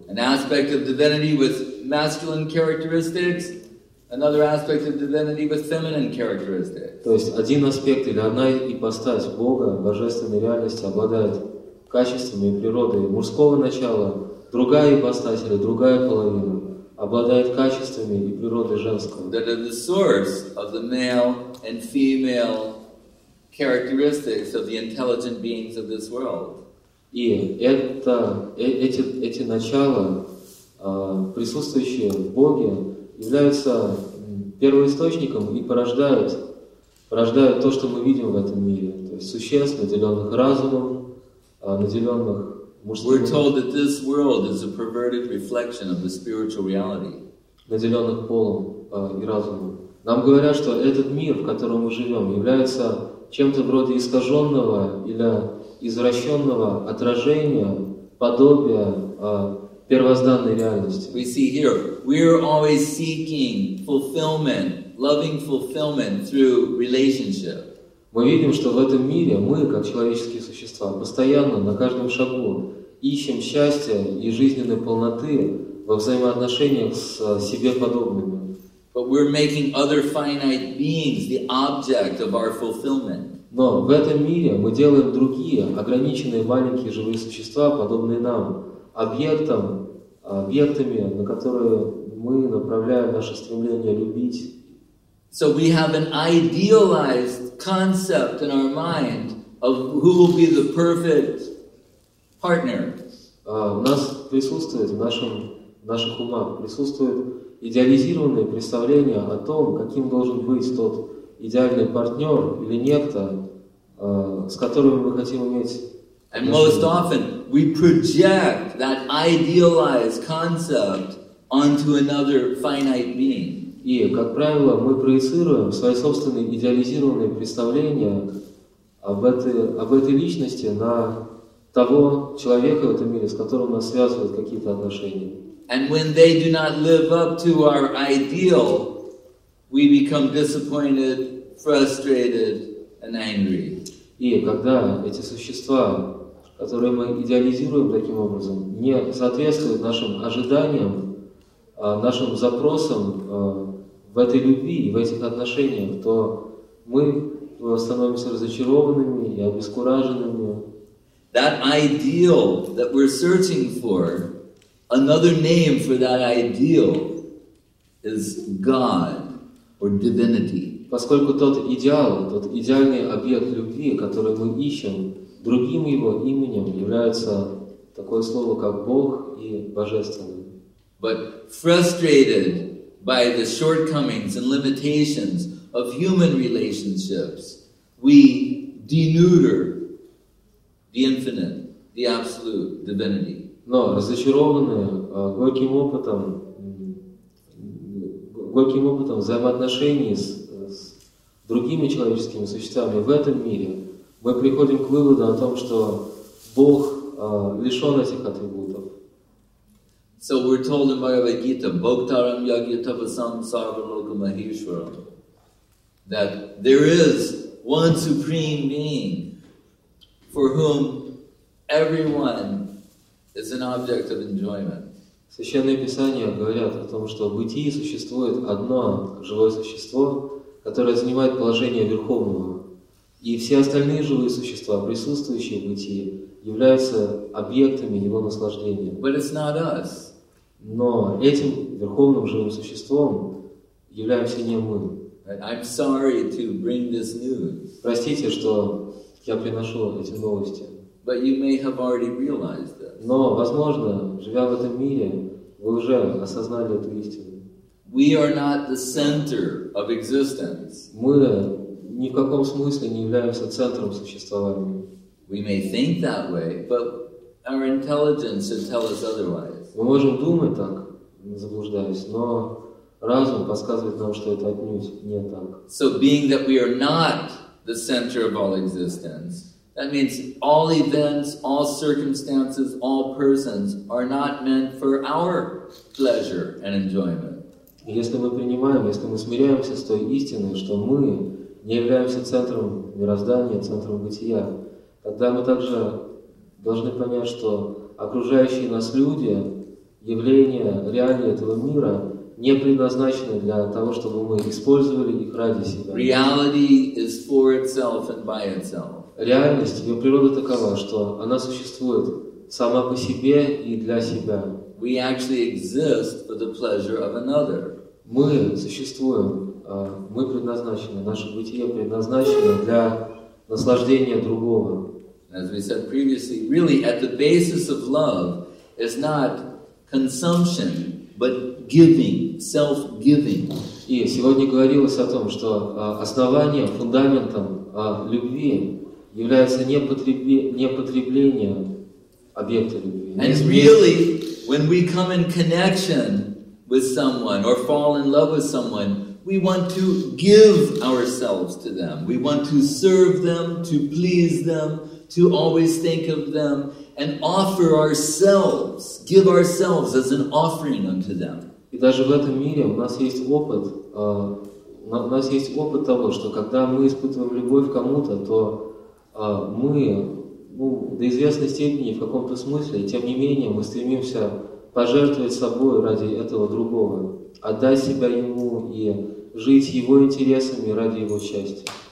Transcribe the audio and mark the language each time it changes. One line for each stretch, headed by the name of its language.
English: An aspect of divinity with masculine characteristics, another aspect of divinity with feminine characteristics.
Russian: То есть один аспект или одна ипостась Бога, божественной реальности, обладает качествами и природой мужского начала, другая ипостась или другая половина обладает качествами и природой женского.
English: That are the source of the male and female characteristics of the intelligent beings of this world.
Russian: И это, эти начала, присутствующие в Боге, являются первоисточником и порождают то, что мы видим в этом мире. То есть существ, наделенных разумом, наделенных мужским.
English: We're told that this world is a perverted reflection of the spiritual reality.
Russian: Наделенных полом и разумом. Нам говорят, что этот мир, в котором мы живем, является чем-то вроде искаженного или извращенного отражения, подобия первозданной реальности.
English: We see here, we are always seeking fulfillment, loving fulfillment through relationship.
Russian: Мы видим, что в этом мире мы, как человеческие существа, постоянно, на каждом шагу, ищем счастья и жизненной полноты во взаимоотношениях с себе подобными.
English: But we're making other finite beings the object of our fulfillment.
Russian: Но в этом мире мы делаем другие, ограниченные маленькие живые существа, подобные нам, объектами, на которые мы направляем наше стремление любить.
English: So we have an idealized concept in our mind of who will be the perfect partner.
Russian: У нас присутствует в наших умах присутствует идеализированное представление о том, каким должен быть тот идеальный партнер или некто, с которыми мы хотим иметь.
English: And most often we project that idealized concept onto another finite being.
Russian: И, как правило, мы проецируем свои собственные идеализированные представления об этой личности на того человека в этом мире, с которым нас связывают какие-то отношения.
English: And when they do not live up to our ideal, we become disappointed, frustrated, and angry.
Russian: И когда эти существа, которые мы идеализируем таким образом, не соответствуют нашим ожиданиям, нашим запросам в этой любви и в этих отношениях, то мы становимся разочарованными и обескураженными.
English: That ideal that we're searching for, another name for that ideal is God or divinity.
Russian: Поскольку тот идеал, тот идеальный объект любви, который мы ищем, другим его именем является такое слово, как Бог и Божественный.
English: But frustrated by the shortcomings and limitations of human relationships, we denuder the infinite, the absolute divinity.
Russian: Но разочарованные горьким опытом взаимоотношений с другими человеческими существами в этом мире, мы приходим к выводу о том, что Бог лишен этих атрибутов.
English: So we're told in Bhagavad Gita,
Sanskrit: Bhoktaram Yagyatavasam Sarvaloka Maheshwaram,
English: that there is one supreme being for whom everyone is an object of enjoyment.
Russian: Священные Писания говорят о том, что в бытии существует одно живое существо, которое занимает положение Верховного, и все остальные живые существа, присутствующие в бытии, являются объектами его наслаждения.
English: But it's not us.
Russian: Но этим верховным живым существом являемся не мы.
English: I'm sorry to bring this news.
Russian: Простите, что я приношу эти новости.
English: But you may have already realized this.
Russian: Но, возможно, живя в этом мире, вы уже осознали эту истину.
English: We are not the center of existence.
Russian: Мы ни в каком смысле не являемся центром существования.
English: We may think that way, but our intelligence should tell us otherwise.
Russian: Мы можем думать так, заблуждаясь, но разум подсказывает нам, что это отнюдь не так.
English: So being that we are not the center of all existence, That means all events, all circumstances, all persons are not meant for our pleasure and enjoyment.
Russian: Если мы принимаем, если мы смиряемся с той истиной, что мы не являемся центром мироздания, центром бытия, тогда мы также должны понять, что окружающие нас люди, явления, реалии этого мира не предназначены для того, чтобы мы использовали их ради себя.
English: Reality is for itself and by itself.
Russian: Реальность, ее природа такова, что она существует сама по себе и для себя.
English: We actually exist for the pleasure of another.
Russian: Мы существуем, мы предназначены, наше бытие предназначено для наслаждения другого.
English: As we said previously, really at the basis of love is not consumption, but giving, self-giving.
Russian: И сегодня говорилось о том, что основанием, фундаментом любви является не потребление объекта любви.
English: And really, when we come in connection with someone or fall in love with someone, we want to give ourselves to them. We want to serve them, to please them, to always think of them, and offer ourselves, give ourselves as an offering unto them.
Russian: И даже в этом мире у нас есть опыт, у нас есть опыт того, что когда мы испытываем любовь к кому-то, то мы, ну, до известной степени в каком-то смысле, тем не менее, мы стремимся пожертвовать собой ради этого другого, отдать себя ему и жить его интересами ради его счастья.